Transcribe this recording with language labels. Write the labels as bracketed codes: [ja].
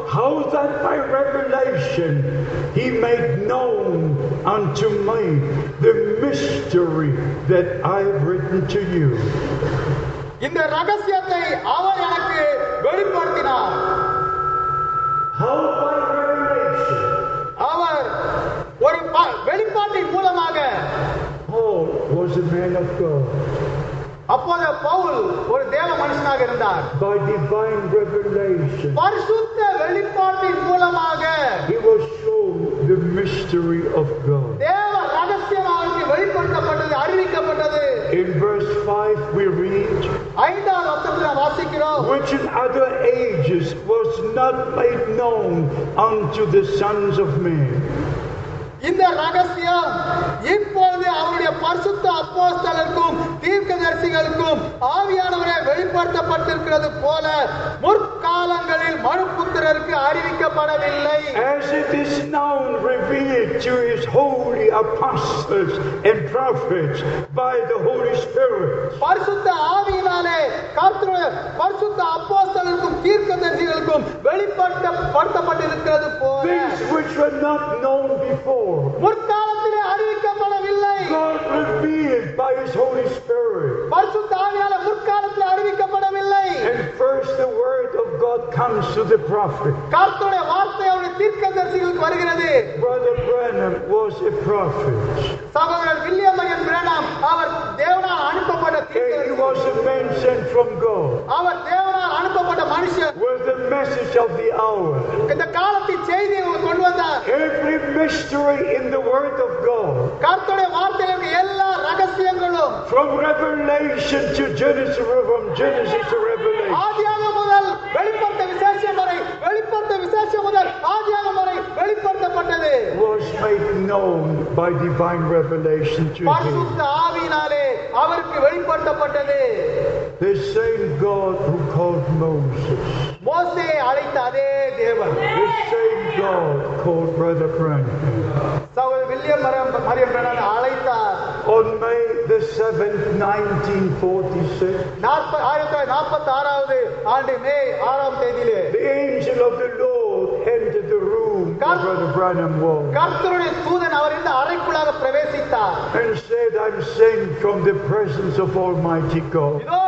[en] How that by revelation he made known unto me the mystery that I have written to you. [ta] இந்த ரகசியத்தை அவர் எனக்கு வெளிப்படுத்தினார். [en] How by revelation. [ta] அவர் ஒரு வெளிப்பாட்டின் மூலமாக. [en] Paul was a man of God. [ta] அப்போதே பவுல் ஒரு தேவ மனுஷனாக இருந்தார். [en] By divine revelation. [ta] பரிசுத்த வெளிப்பாட்டின் மூலமாக. [en] He was shown the mystery of God. [ta] தேவ ரகசியமாகி வெளிப்படுத்தப்பட்டது அறிவிக்கப்பட்டது. [en] In verse 5 we read. [ta] ஐந்தாவது வசனத்தில் வாசிக்கிறோம். [en] Which in other ages was not made known unto the sons of men. [ta] இந்த ரகசியம் இப்பொழுது அவருடைய பரிசுத்த அப்போஸ்தலருக்கும் தீர்க்கதரிசிகளுக்கும் ஆவியானவரே வெளிப்படுத்தப்பட்டிருக்கிறது போல முற்காலங்களில் மனுபுத்திரருக்கு அறிவிக்கப்படவில்லை. [en] As it is now revealed to his holy apostles and prophets by the Holy Spirit. [ta] பரிசுத்த ஆவியினாலே கர்த்தருடைய பரிசுத்த அப்போஸ்தலருக்கும் தீர்க்கதரிசிகளுக்கும் வெளிப்படுத்தப்பட்டிருக்கிறது போல. [en] Things which were not known before. [ta] முற்காலத்திலே அறிவிக்கப்படவில்லை. [en] God revealed by his Holy Spirit. [ta] பரிசுத்த ஆவியால் முற்காலத்தில் அறிவிக்கப்படவில்லை. [en] And first the word of God comes to the prophet. [ta] கர்த்தருடைய வார்த்தை அவருடைய தீர்க்கதரிசிகளுக்கு வருகிறது. [en] Brother Branham was a prophet. [ta] சகோதரர் வில்லியம் மகன் பிரானம் அவர் தேவனால் அனுப்பப்பட்ட தீர்க்கதரிசி. [en] He was a man sent from God. [ta] அவர் தேவனால் அனுப்பப்பட்ட மனுஷன். [en] Was the message of the hour. [ta] இந்த காலத்தின் செய்தியை கொண்டு வந்தார். [en] Every mystery in the word of God. [ta] கர்த்தருடைய வார்த்தையில எல்லா ரகசியங்களும். [en] From revelation to Genesis, from Genesis to revelation. [ta] ஆதியாகமம் முதல் வெளிப்பட்ட விசேஷம் வரை வெளிப்பட்டது. [en] Was made known by divine revelation to him. [ta] பரிசுத்த ஆவியினாலே அவருக்கு வெளிப்படுத்தப்பட்டது. [en] The same God who called Moses. [ta] மோசேயை அழைத்த அதே தேவன். [en] The same God called Brother Branham. [ta] சகோதரர் வில்லியம் மரியம் பிரானம் அழைத்தார். [en] On May the 7th, 1946. [ta] 1946 ஆண்டு மே 6ஆம் தேதியிலே. [en] The angel of the Lord entered the room where Brother Branham was. [ta] கர்த்தருடைய தூதன் அவர் இந்த அறைக்குள்ளாக பிரவேசித்தார். [en] And said, I'm sent from the presence of Almighty God.